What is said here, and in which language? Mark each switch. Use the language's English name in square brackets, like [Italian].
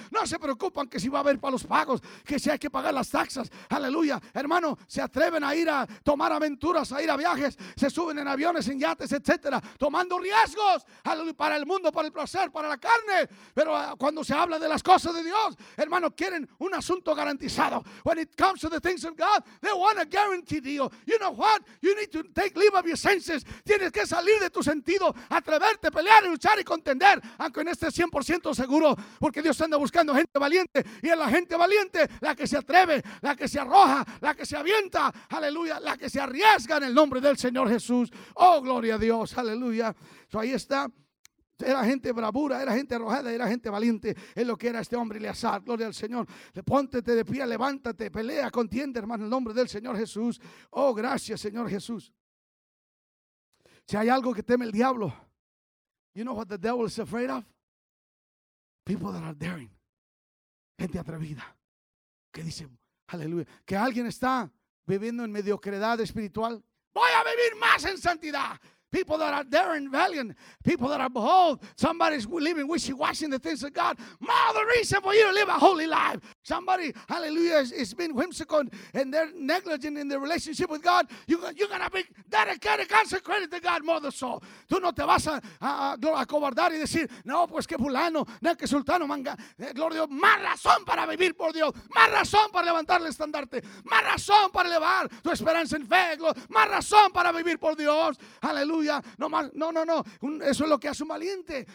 [Spanish] No se preocupan que si va a haber para los pagos, que si hay que pagar las taxas. Aleluya, hermano, se atreven a ir a tomar aventuras, a ir a viajes, se suben en aviones, en yates, etcétera, tomando riesgos, aleluya, para el mundo, para el placer, para la carne. Pero cuando se habla de las cosas de Dios, hermano, quieren un asunto garantizado. [English] When it comes to the things of God, they want a guaranteed deal. You know what? You need to take leave of your senses. [Spanish] Tienes que salir de tu sentido, atreverte, pelear, luchar y contender, aunque en este 100% seguro, porque Dios anda buscando gente valiente, y es la gente valiente la que se atreve, la que se arroja, la que se avienta, aleluya, la que se arriesga en el nombre del Señor Jesús. Oh, gloria a Dios, aleluya. So, ahí está, era gente bravura, era gente arrojada, era gente valiente, es lo que era este hombre Eleazar. Gloria al Señor. Póntete de pie, levántate, pelea, contiende, hermano, en el nombre del Señor Jesús. Oh, gracias, Señor Jesús. Si hay algo que teme el diablo, [English] you know what the devil is afraid of? People that are daring. [Spanish] Gente atrevida. Que dice, aleluya. Que alguien está viviendo en mediocridad espiritual. Voy a vivir más en santidad. [English] People that are daring, valiant. People that are bold. Somebody's living wishy-washy in the things of God. More the reason for you to live a holy life. Somebody, hallelujah, is being whimsical and they're negligent in their relationship with God. You're going to be dedicated, consecrated to God, more the soul. [Spanish] Tú no te vas a cobardar y decir, no, pues que fulano, no, que sultano, manga. Gloria a Dios, más razón para vivir por Dios. Más razón para levantar el estandarte. Más razón para elevar tu esperanza en fe. Más razón para vivir por Dios. Hallelujah. No. Eso es lo que hace un valiente.